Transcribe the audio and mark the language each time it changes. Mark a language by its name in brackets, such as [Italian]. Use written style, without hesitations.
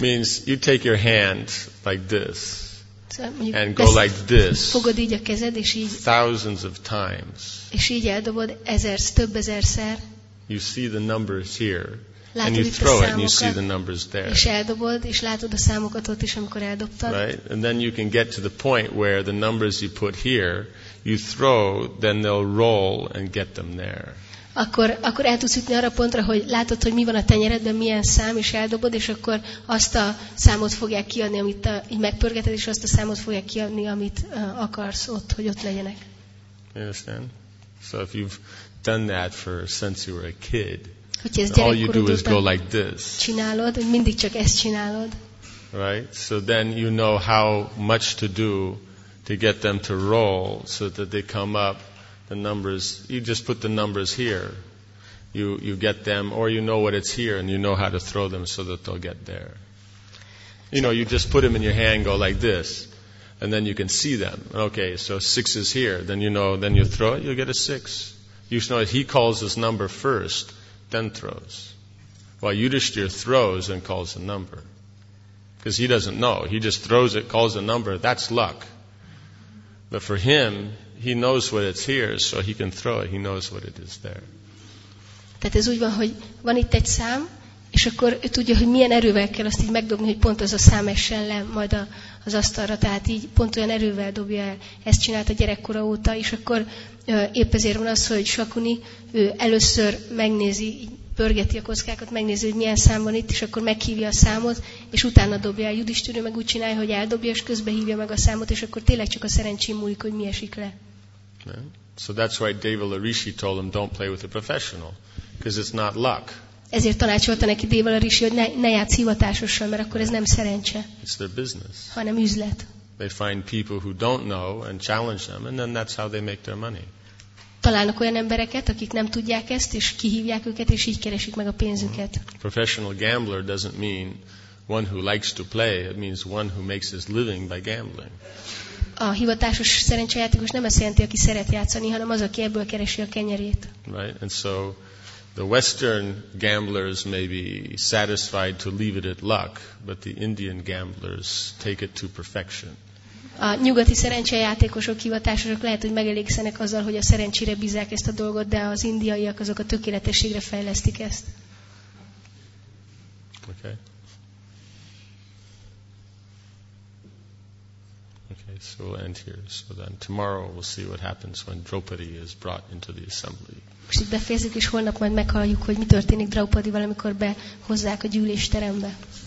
[English] Means you take your hand like this and go like this. [Hungarian] Fogod így a kezed, és így. [English] Thousands of times. [Hungarian] És így eldobod több ezerszer. [English] You see the numbers here. [Hungarian] Látod [English] and you throw [Hungarian] számokat, [English] it, and you see the numbers there. [Hungarian] És eldobod, és látod a számokat ott is, amikor eldobtad. [English] Right, and then you can get to the point where the numbers you put here, you throw, then they'll roll and get them there. [Hungarian] Akkor el tudsz jutni arra pontra, hogy látod, hogy mi van a tenyeredben, milyen szám, és eldobod, és akkor azt a számot fogják kiadni, amit így megpörgeted, és azt a számot fogják kiadni, amit akarsz ott, hogy ott legyenek. [English] You understand? So if you've done that for since you were a kid. All you do is go like this. [Hungarian] Csinálod, mindig csak ezt csinálod. [English] Right? So then you know how much to do to get them to roll so that they come up the numbers. You just put the numbers here. You get them, or you know what it's here and you know how to throw them so that they'll get there. You know, you just put them in your hand, go like this, and then you can see them. Okay, so six is here. Then you know, then you throw it, you'll get a six. You know, he calls his number first. Then throws. While Yudhishthir throws and calls a number. Because he doesn't know. He just throws it, calls a number. That's luck. But for him, he knows what it's here, so he can throw it. He knows what it is there. [Hungarian] Tehát ez úgy van, hogy van itt egy szám, és akkor ő tudja, hogy milyen erővel kell azt így megdobni, hogy pont az a szám essen le majd az asztalra. Tehát így pont olyan erővel dobja el. Ezt csinált a gyerekkora óta, és akkor épp ezért van az, hogy Shakuni ő először megnézi, pörgeti a kockákat, megnézi, hogy milyen szám van itt, és akkor meghívja a számot, és utána dobja el. Yudhishthira meg úgy csinálja, hogy eldobja, és közben hívja meg a számot, és akkor tényleg csak a szerencsén múlik, hogy mi esik le. [English] So that's why Devala Rishi told him, don't play with a professional, because it's not luck. [Hungarian] Ezért tanácsolta neki Devala Rishi, hogy ne játsz hivatásossal, mert akkor ez nem szerencse, [English] it's their business. [Hungarian] Hanem üzlet. [English] Yeah. They find people who don't know and challenge them, and then that's how they make their money. [Hungarian] Találnak olyan embereket, akik nem tudják ezt, és kihívják őket, és így keresik meg a pénzüket. [English] Mm-hmm. Professional gambler doesn't mean one who likes to play. It means one who makes his living by gambling. [Hungarian] A hivatásos szerencsejátékos nem azt jelenti, aki szeret játszani, hanem az, aki ebből keresi a kenyerét. [English] Right, and so the Western gamblers may be satisfied to leave it at luck, but the Indian gamblers take it to perfection. [Hungarian] A nyugati szerencsejátékosok, hivatásosok lehet, hogy megelégszenek azzal, hogy a szerencsére bízzák ezt a dolgot, de az indiaiak azok a tökéletességre fejlesztik ezt. [English] Okay. Okay, so we'll end here. So then tomorrow we'll see what happens when Draupadi is brought into the assembly. [Hungarian] Most itt befejezzük, és holnap majd meghalljuk, hogy mi történik Draupadival, amikor behozzák a gyűlésterembe.